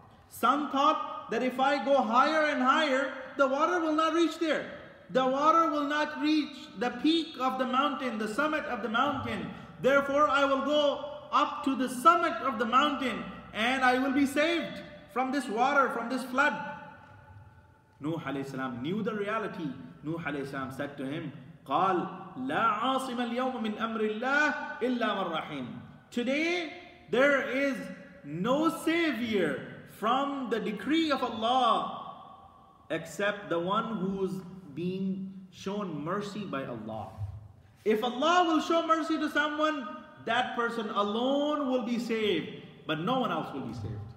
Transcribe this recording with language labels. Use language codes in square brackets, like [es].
[en] Some thought that if I go higher and higher, the water will not reach there. The water will not reach the peak of the mountain, the summit of the mountain. Therefore, I will go up to the summit of the mountain and I will be saved from this water, from this flood. Nuh alayhi salam knew the reality. Nuh alayhi salam said to him, [ar] قال لا عاصم اليوم من أمر الله إلا من رحيم. [en] Today, there is no savior from the decree of Allah except the one who's being shown mercy by Allah. If Allah will show mercy to someone, that person alone will be saved, but no one else will be saved.